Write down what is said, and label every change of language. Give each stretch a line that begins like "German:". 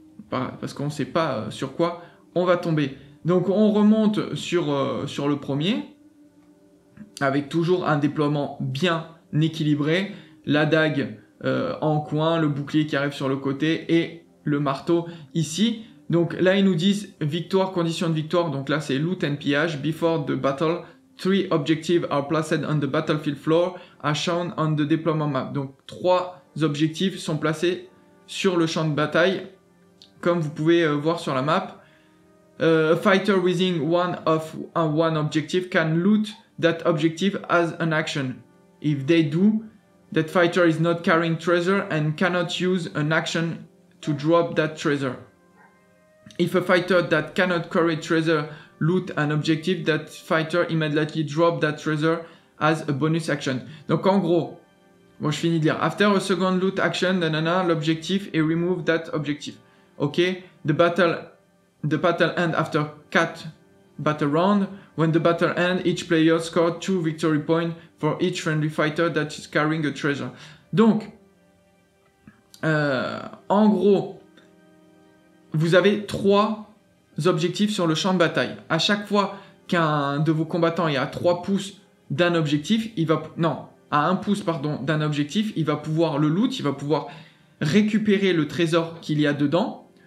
French: Parce qu'on ne sait pas sur quoi on va tomber. Donc on remonte sur le premier, avec toujours un déploiement bien équilibré, la dague en coin, le bouclier qui arrive sur le côté et le marteau ici. Donc là, ils nous disent victoire, condition de victoire. Donc là, c'est loot and pillage.
English: Before the battle, 3 objectives are placed on the battlefield floor as shown on the deployment map.
French: Donc 3 objectifs sont placés sur le champ de bataille, comme vous pouvez voir sur la map.
English: A fighter within one objective can loot that objective as an action. If they do, that fighter is not carrying treasure and cannot use an action to drop that treasure. If a fighter that cannot carry treasure loot an objective, that fighter immediately drop that treasure as a bonus action.
French: Donc en gros, bon, je finis de lire.
English: After a second loot action,
French: nanana, l'objectif et
English: remove that objective. Ok, the battle end after 4 battle round. When the battle ends, each player scores 2 victory points for each friendly fighter that is carrying a treasure.
French: Donc, en gros, vous avez 3 objectifs sur le champ de bataille. À chaque fois qu'un de vos combattants est à 3 pouces d'un objectif, à 1 pouce, pardon, d'un objectif, il va pouvoir le loot, il va pouvoir récupérer le trésor qu'il y a dedans.